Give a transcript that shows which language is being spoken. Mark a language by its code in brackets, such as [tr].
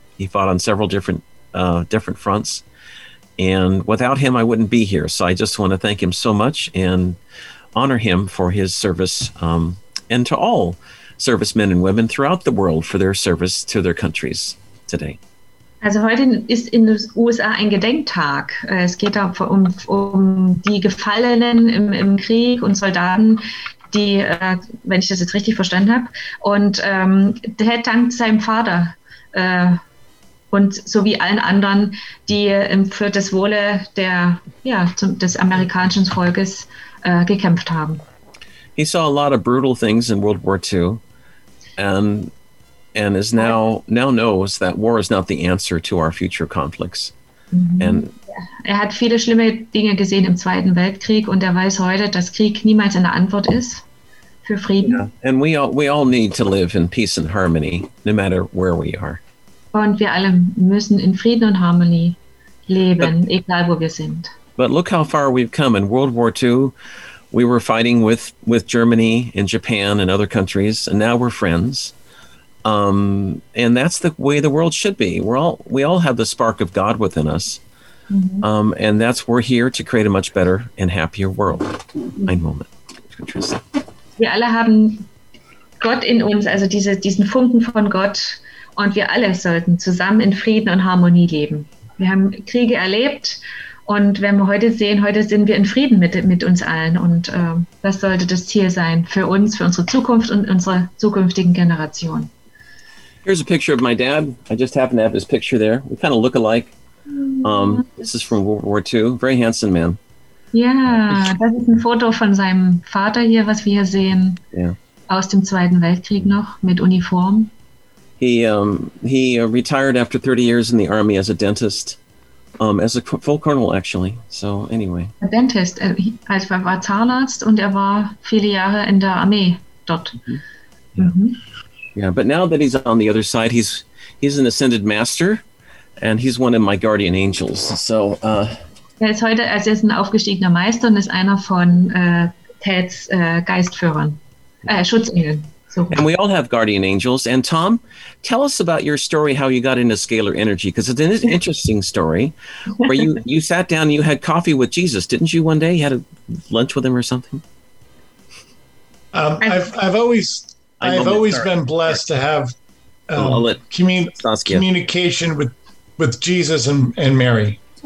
[en] He fought on several different fronts, and without him, I wouldn't be here. So I just want to thank him so much and honor him for his service. And to all servicemen and women throughout the world for their service to their countries today. [de] Also heute ist in den USA ein Gedenktag. Es geht auch um die Gefallenen im Krieg und Soldaten, die, wenn ich das jetzt richtig verstanden habe, und der dankt seinem Vater und so wie allen anderen, die für das Wohle des amerikanischen Volkes gekämpft haben. [en] He saw a lot of brutal things in World War II, and is now knows that war is not the answer to our future conflicts. Mm-hmm. And [de] er hat viele schlimme Dinge gesehen im Zweiten Weltkrieg, und er weiß heute, dass Krieg niemals eine Antwort ist für Frieden. [en] Yeah. And we all need to live in peace and harmony, no matter where we are. Und wir alle müssen in Frieden und Harmonie leben, egal wo wir sind. But look how far we've come in World War II. We were fighting with Germany and Japan and other countries, and now we're friends. And that's the way the world should be. We all have the spark of God within us. Mm-hmm. And that's, we're here to create a much better and happier world. [de] Mm-hmm. Ein Moment. Wir alle haben Gott in uns, also diesen Funken von Gott, und wir alle sollten zusammen in Frieden und Harmonie leben. Wir haben Kriege erlebt. Und wenn wir heute sehen, heute sind wir in Frieden mit uns allen. Und das sollte das Ziel sein für uns, für unsere Zukunft und unsere zukünftigen Generationen. [en] Here's a picture of my dad. I just happen to have his picture there. We kind of look alike. This is from World War II. Very handsome man. Yeah, [de] das ist ein Foto von seinem Vater hier, was wir hier sehen. [en] Yeah. [de] Aus dem Zweiten Weltkrieg noch, mit Uniform. [en] He retired after 30 years in the Army as a dentist. As a full colonel, actually. So anyway. A dentist. [de] Also er war Zahnarzt, und er war viele Jahre in der Armee dort. [en] Mm-hmm. Yeah. Mm-hmm. Yeah, but now that he's on the other side, he's an ascended master, and he's one of my guardian angels. So. [de] Er ist ein aufgestiegener Meister und ist einer von Ted's Geistführern, Schutzengeln. [en] So. And we all have guardian angels. And Tom, tell us about your story, how you got into scalar energy, because it's an interesting story where you sat down and you had coffee with Jesus, didn't you, one day? You had a lunch with him or something? I've always been blessed to have communication with Jesus and Mary.